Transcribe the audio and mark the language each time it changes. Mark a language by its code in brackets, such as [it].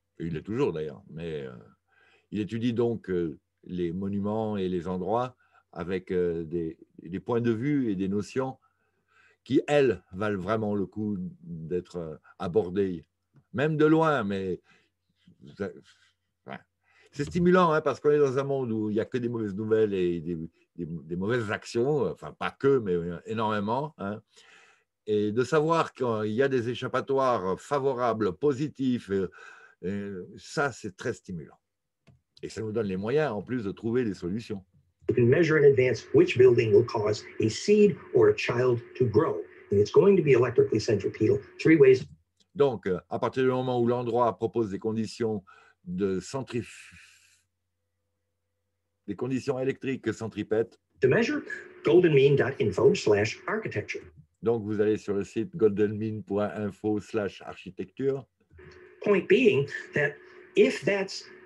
[fr] Et il l'est toujours d'ailleurs, mais il étudie donc les monuments et les endroits avec des points de vue et des notions qui, elles, valent vraiment le coup d'être abordées, même de loin, mais c'est stimulant, hein, parce qu'on est dans un monde où il n'y a que des mauvaises nouvelles et des mauvaises actions, enfin pas que, mais énormément, hein. Et de savoir qu'il y a des échappatoires favorables, positifs, ça, c'est très stimulant. Et ça nous donne les moyens, en plus, de trouver des solutions. [en] You can measure in advance which building will cause a seed or a child to grow. And it's going to be electrically centripetal. Three ways. [fr] Donc, à partir du moment où l'endroit propose des conditions de des conditions électriques centripètes. [en] To measure, goldenmean.info/architecture. [fr] Donc, vous allez sur le site goldenmean.info/architecture. [en] Point being that if that's